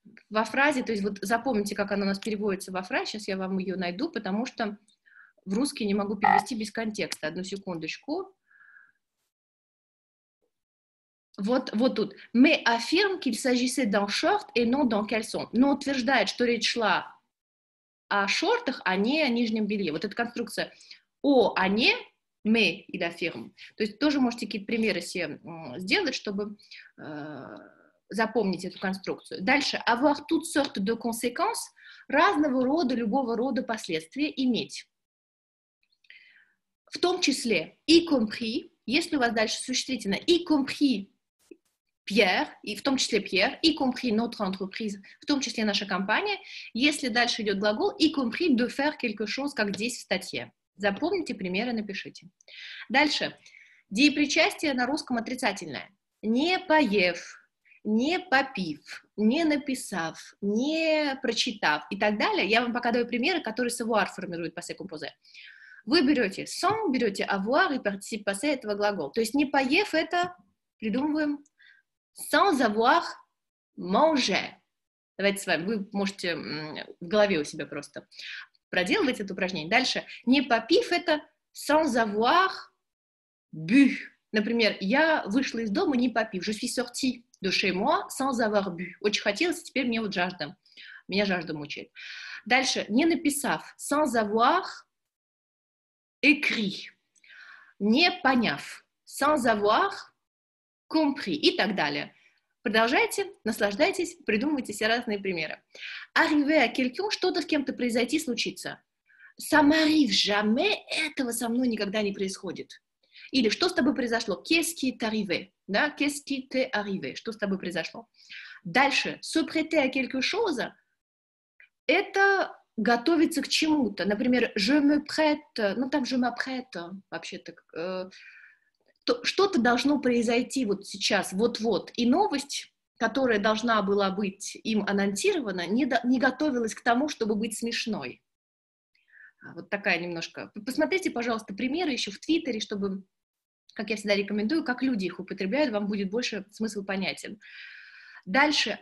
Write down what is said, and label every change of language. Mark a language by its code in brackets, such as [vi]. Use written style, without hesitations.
[ru] Во фразе, то есть вот запомните, как она у нас переводится во фразе, сейчас я вам ее найду, потому что в русский не могу перевести без контекста. Одну секундочку. Вот тут. [fr] Mais affirme qu'il s'agissait d'un short et non d'un caleçon. [ru] Но утверждает, что речь шла о шортах, а не о нижнем белье. Вот эта конструкция о, а не, [fr] mais il affirme. [ru] То есть тоже можете какие-то примеры себе сделать, чтобы... запомнить эту конструкцию. Дальше. [fr] Avoir toutes sortes de conséquences. [ru] Разного рода, любого рода последствия иметь. В том числе y compris. Если у вас дальше существительное y compris Pierre, и в том числе Pierre, [fr] y compris notre entreprise, [ru] в том числе наша компания. Если дальше идет глагол [fr] y compris de faire quelque chose, [ru] как здесь в статье. Запомните примеры, напишите. Дальше. Деепричастие на русском отрицательное. Не поев, не попив, не написав, не прочитав и так далее. Я вам пока даю примеры, которые savoir формируют passé composé. Вы берете son, берете avoir и participe passé этого глагола. То есть не поев, это придумываем [fr] sans avoir mangé. [ru] Давайте с вами, вы можете в голове у себя просто проделывать это упражнение. Дальше. Не попив, это [fr] sans avoir bu. [ru] Например, я вышла из дома, не попив. [fr] Je suis sortie de chez moi sans avoir bu. [ru] Очень хотелось, теперь мне вот жажда. Меня жажда мучает. Дальше. Не написав. [fr] Sans avoir écrit. [ru] Не поняв. [fr] Sans avoir compris. [ru] И так далее. Продолжайте, наслаждайтесь, придумывайте все разные примеры. [fr] Arriver à quelqu'un, [ru] что-то с кем-то произойти, случиться. [fr] Ça m'arrive jamais, [ru] этого со мной никогда не происходит. Или что с тобой произошло? [fr] Qu'est-ce qui t'est arrivé? [ru] Да? [fr] Qu'est-ce qui t'est arrivé? [ru] Что с тобой произошло? Дальше. [fr] Se prêter à quelque chose [ru] – это готовиться к чему-то. [fr] Например, je me prête, [ru] ну там [fr] je m'apprête, [ru] вообще-то. Что-то должно произойти вот сейчас, вот-вот. И новость, которая должна была быть им анонсирована, не готовилась к тому, чтобы быть смешной. Вот такая немножко. Посмотрите, пожалуйста, примеры еще в Твиттере, чтобы, как я всегда рекомендую, как люди их употребляют, вам будет больше смысл понятен. Дальше.